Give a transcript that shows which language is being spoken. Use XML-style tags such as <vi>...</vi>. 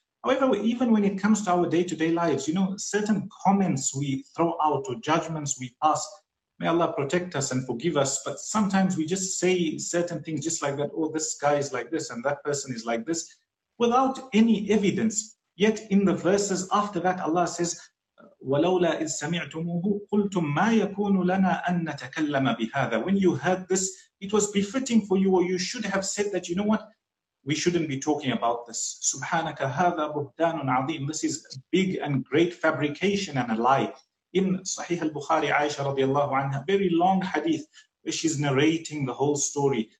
<en>However, even when it comes to our day-to-day lives, you know, certain comments we throw out or judgments we pass, may Allah protect us and forgive us, but sometimes we just say certain things just like that, oh, this guy is like this and that person is like this, without any evidence. Yet in the verses after that, Allah says,</en> <ar>وَلَوْلَا إِذْ سَمِعْتُمُهُ قُلْتُمْ مَا يَكُونُ لَنَا أَن نَتَكَلَّمَ بِهَذَا.</ar> <en>When you heard this, it was befitting for you, or you should have said that, you know what, we shouldn't be talking about this.</en> <ar>سُبْحَانَكَ هَذَا بُهْتَانٌ عَظِيمٌ.</ar> <en>This is a big and great fabrication and a lie. In Sahih al-Bukhari, Aisha radiallahu anha, very long hadith, where she's narrating the whole story.</en>